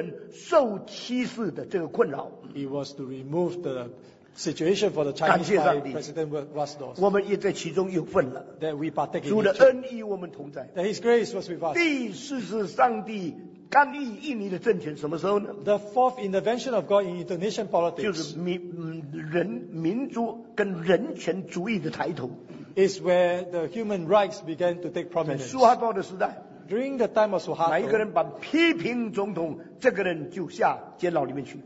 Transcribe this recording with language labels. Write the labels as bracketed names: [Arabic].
[Chinese] 就是用瓦西德解除中国人受歧视的这个困扰。 [English] It was to remove the situation for the Chinese by President Vasdos. [Chinese] 我们也在其中有份了。 [English] That we partake in it. [Chinese] 主的恩义我们同在。 [English] That His grace was with us. [Chinese] 第四次上帝 干预印尼的政权什么时候呢？ [English] The fourth intervention of God in Indonesian politics [Chinese] 就是民族跟人权主义的抬头。 [English] Is where the human rights began to take prominence. [Chinese] 苏哈托的时代， [English] During the time of Suharto， [Chinese] 哪一个人把批评总统，这个人就下监牢里面去。